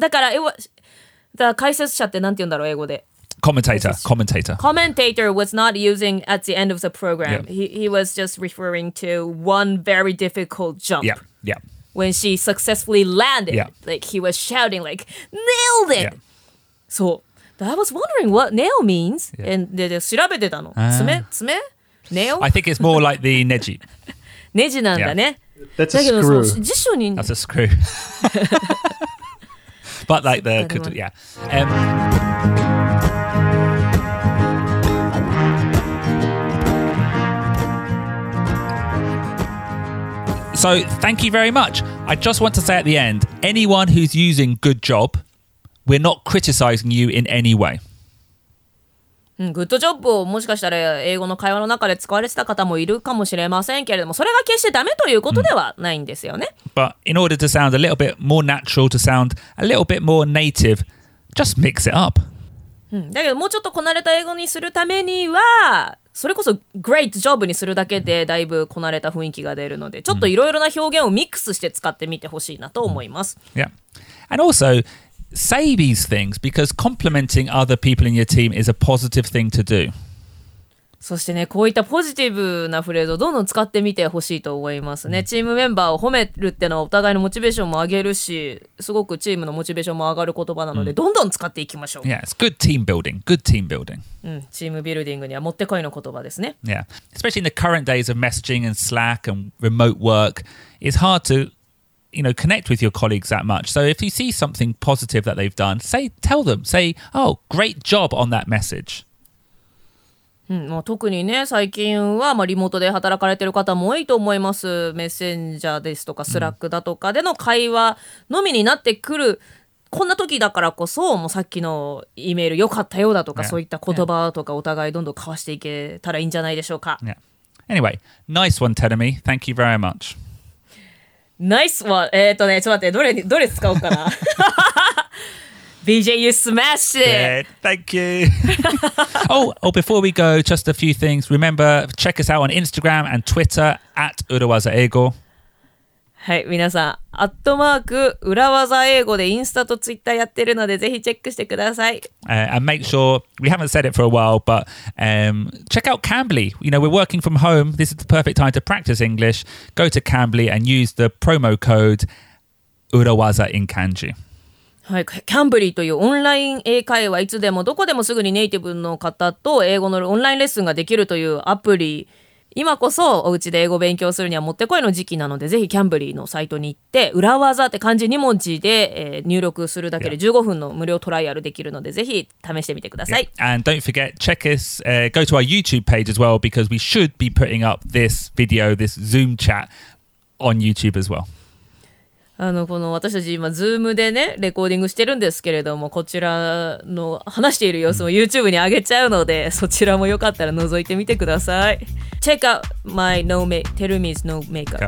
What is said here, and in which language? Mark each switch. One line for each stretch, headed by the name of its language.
Japanese: だから、the 解説者ってなんて言うんだろう、英語で。
English: Commentator. Commentator was not using at the end of the program. Yeah. He was just referring to one very difficult jump. Yeah, yeah. When she successfully landed, like he was shouting, like nailed it. Yeah. So I was wondering what nail means, and
Japanese: 調べてたの。爪 nail.
English: I think it's more like the neji.
Japanese: Neji なんだね。
English: That's a screw.
Japanese: 辞書に。
English: That's a screw. But like the yeah. So thank you very much. I just want to say at the end, anyone who's using good job, we're not criticizing you in any way.
Japanese: グッドジョブをもしかしたら英語の会話の中で使われてた方もいるかもしれませんけれども、それが決してダメということではないんですよね。
English: But in order to sound a little bit more natural, to sound a little bit more native, just mix it up.
Japanese: だけどもうちょっとこなれた英語にするためには、それこそ
English: great job
Japanese: にするだけでだいぶこなれた雰囲気が出るので、ちょっといろいろな表現をミックスして使ってみてほしいなと思います。
English: Yeah. And also,say these things because complimenting other people in your team is a positive thing to do.
Japanese: そしてね、こういったポジティブなフレーズをどんどん使ってみてほしいと思いますね。チームメンバーを褒めるってのはお互いのモチベーションも上げるし、すごくチームのモチベーションも上がる言葉なので、どんどん使っていきましょう。
English: Yeah, it's good team building. Good team building.
Japanese: チームビルディングにはもってこいの言葉ですね。
English: Yeah, especially in the current days of messaging and Slack and remote work, it's hard to... you know, connect with your colleagues that much. So if you see something positive that they've done, say, tell them, say, oh, great job on that message.
Japanese: まあ、特にね、最近は、まあ、リモートで働かれてる方も多いと思います。メッセンジャーですとか、スラックだとかでの会話のみになってくる。こんな時だからこそ、もうさっきのイメール良かったようだとか、そういった言葉とかお互いどんどん交わしていけたらいいんじゃないでしょうか。
English: Yeah. Anyway, nice one, Terumi. Thank you very much. Nice one.
Japanese: ちょっと待って、どれ使おうかな。
English: BJ, you smashed it. Good. Thank you. oh, before we go, just a few things. Remember, check us out on Instagram and Twitter at urawazaeigo.
Japanese: はい、皆さん、アットマーク urawazaeigo でインスタとツイッターやってるので、ぜひチェックしてください。
English: And make sure we haven't said it for a while, but check out Cambly. You know, we're working from home. This is the perfect time to practice English. Go to Cambly and use the promo code urawaza in kanji.
Japanese: はい、キャンブリーというオンライン英会話、いつでもどこでもすぐにネイティブの方と英語のオンラインレッスンができるというアプリ、今こそお家で英語勉強するにはもってこいの時期なので、ぜひキャンブリーのサイトに行って、裏技って漢字2文字で、入力するだけで15分の無料トライアルできるので、ぜひ試してみてください、
English: yeah. And don't forget, check us、go to our YouTube page as well, because we should be putting up this video, this Zoom chat on YouTube as well
Japanese: この私たち今 Zoom でねレコーディングしてるんですけれども、こちらの話している様子も YouTube に上げちゃうので、そちらもよかったら覗いてみてください。
English: Check out my no make Tell me it's no makeup、